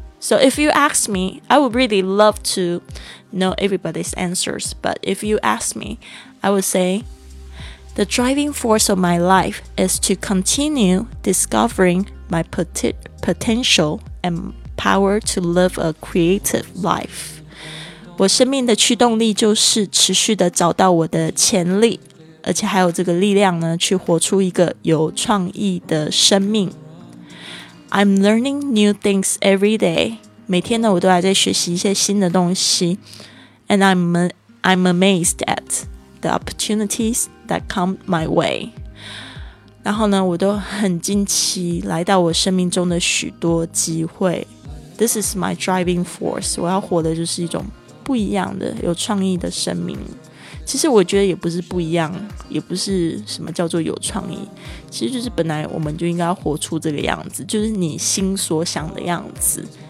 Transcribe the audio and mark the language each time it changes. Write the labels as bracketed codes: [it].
[en] So if you ask me, I would really love to know everybody's answers, but if you ask me, I would say the driving force of my life is to continue discovering my potential and power to live a creative life. [zh] 我生命的驱动力就是持续的找到我的潜力，而且还有这个力量呢去活出一个有创意的生命。 [en] I'm learning new things every day. [zh] 每天呢，我都还在学习一些新的东西。 [en] And I'm amazed at the opportunities that come my way. [zh] 然后呢，我都很惊奇来到我生命中的许多机会。 [en] This is my driving force. [zh] 我要活的就是一种不一样的、有创意的生命。其实我觉得也不是不一样，也不是什么叫做有创意，其实就是本来我们就应该活出这个样子，就是你心所想的样子。